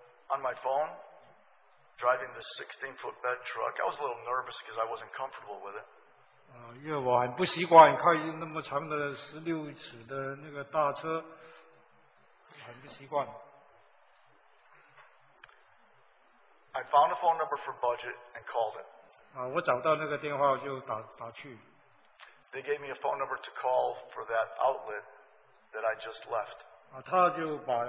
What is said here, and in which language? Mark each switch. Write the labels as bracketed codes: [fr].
[en] on my phone, driving the 16-foot bed truck, I was a little nervous because I wasn't comfortable with it. [zh] 因为我很不习惯开那么长的16尺的那个大车，很不习惯。 [en] I found a phone number for budget and called it. [zh] 我找到那个电话就打去。 [en] They gave me a phone number to call for that outlet that I just left.